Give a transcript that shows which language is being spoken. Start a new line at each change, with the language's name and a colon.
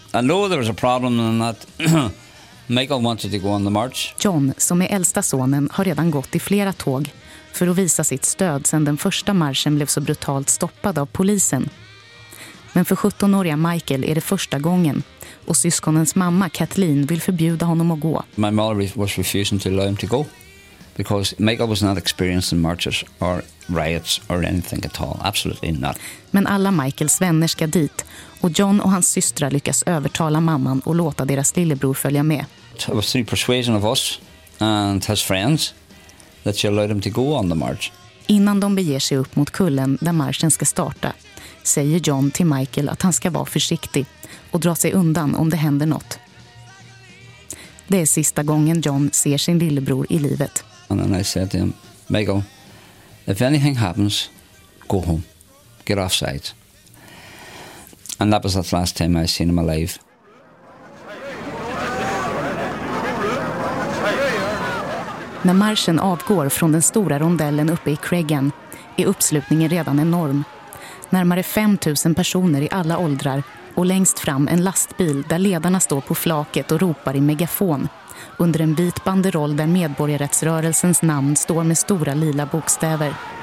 English: I know there was a problem in that Michael wanted to go on the march.
Swedish: John, som är äldsta sonen, har redan gått i flera tåg för att visa sitt stöd sedan den första marschen blev så brutalt stoppad av polisen. Men för 17-åriga Michael är det första gången, och syskonens mamma Kathleen vill förbjuda honom att gå.
English: My mother was refusing to allow him to go because Michael was not experiencing marches or riots or anything at all. Absolutely not.
Swedish: Men alla Michaels vänner ska dit, och John och hans systrar lyckas övertala mamman och låta deras lillebror följa med.
English: It was through persuasion of us and his friends that she allowed him to go on the march.
Swedish: Innan de beger sig upp mot kullen där marschen ska starta säger John till Michael att han ska vara försiktig och dra sig undan om det händer något. Det är sista gången John ser sin lillebror i livet.
English: And then I said to him, Michael, if anything happens, go home. Get off site. And that was the last time I seen him alive.
Swedish: När marschen avgår från den stora rondellen uppe i Craigan är uppslutningen redan enorm. Närmare 5000 personer i alla åldrar, och längst fram en lastbil där ledarna står på flaket och ropar i megafon under en vit banderoll där medborgarrättsrörelsens namn står med stora lila bokstäver.